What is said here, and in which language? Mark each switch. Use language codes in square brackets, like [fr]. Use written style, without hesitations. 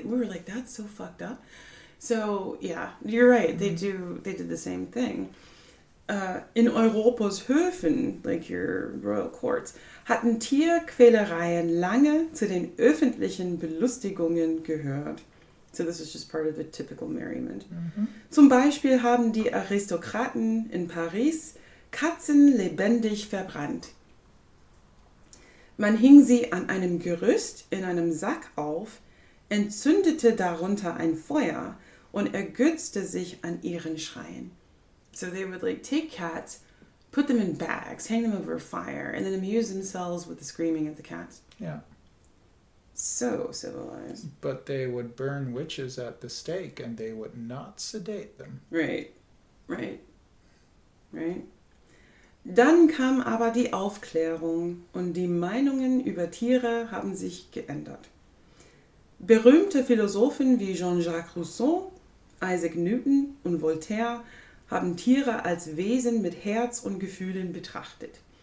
[en] We were like, that's so fucked up. So, yeah, you're right. Mm-hmm. They did the same thing. [de] In Europas Höfen, [en] like your royal courts, [de] hatten Tierquälereien lange zu den öffentlichen Belustigungen gehört. [en] So this is just part of the typical merriment. Mm-hmm. [de] Zum Beispiel haben die Aristokraten in Paris Katzen lebendig verbrannt. Man hing sie an einem Gerüst in einem Sack auf, entzündete darunter ein Feuer und ergötzte sich an ihren Schreien. [en] So they would like take cats, put them in bags, hang them over a fire, and then amuse themselves with the screaming of the cats. Yeah. So civilized. But they would burn witches at the stake and they would not sedate them. Right. [de] Dann kam aber die Aufklärung und die Meinungen über Tiere haben sich geändert. Berühmte Philosophen wie Jean-Jacques Rousseau, Isaac Newton und Voltaire haben Tiere als Wesen mit Herz und Gefühlen betrachtet.